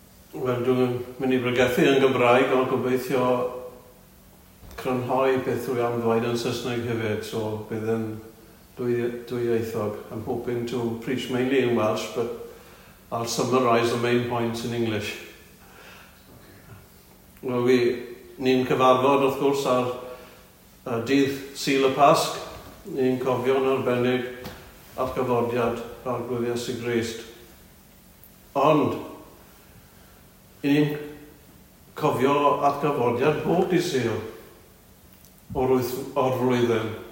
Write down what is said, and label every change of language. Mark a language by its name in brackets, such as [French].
[Welsh] Wel, dwi'n mynd i brygethu yn Gymraeg, ond gobeithio crynhoi beth dwi am ddweud yn Saesneg hefyd, so bydd yn dwyieithog. [English] I'm hoping to preach mainly in Welsh, but I'll summarise the main points in English. [Welsh] Wel, ni'n cyfarfod, wrth gwrs, ar dydd Sul y Pasg. Ni'n cofio'n arbennig ar gyfodiad ar gwyddias i Grist. Ond, ni'n cofio atgyfodiad bob dydd Sul o'r flwyddyn.